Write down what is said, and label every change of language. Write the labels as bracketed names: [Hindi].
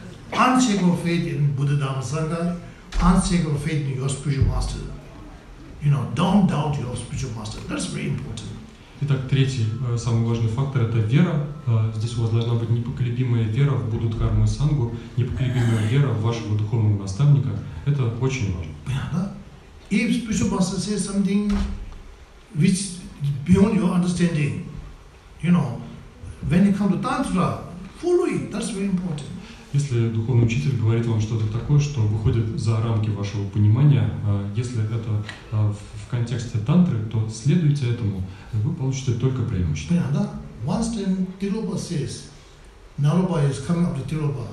[English] Unshakable faith in Buddha Dhamma Sangha, unshakable faith in your spiritual master. You know, don't doubt your spiritual master. That's very important. [Russian] Итак, третий, самый важный фактор – это вера. Здесь у вас должна быть непоколебимая вера в Будду Дхарму и Сангу, непоколебимая вера в вашего духовного наставника. Это очень важно. Понятно? [English] If spiritual master says something which is beyond your understanding, you know, when it comes to tantra, follow it. That's very important. [Russian] Если духовный учитель говорит вам что-то такое, что выходит за рамки вашего понимания, если это в контексте тантры, то следуйте этому, вы получите только преимущество. Понятно, да? [English] Once then Tiroba says, Naropa is coming up to Tiroba.